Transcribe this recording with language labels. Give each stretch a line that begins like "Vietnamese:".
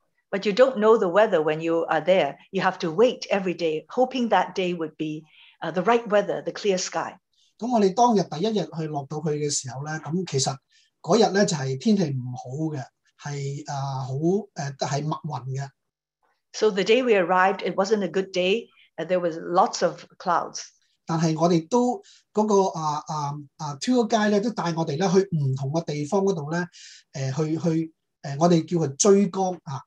English: But you don't know the weather when you are there. You have to wait every day, hoping that day would be the right weather, the clear sky.
Chinese: 我們當日第一天去落到去的時候呢, 其實那天呢, 就是天氣不好的。是很密雲的。
English: So the day we arrived, it wasn't a good day, and there was lots of clouds.
Chinese: 但是我們都那個tour guide都帶我們去不同的地方那裡呢,去我們叫它追光。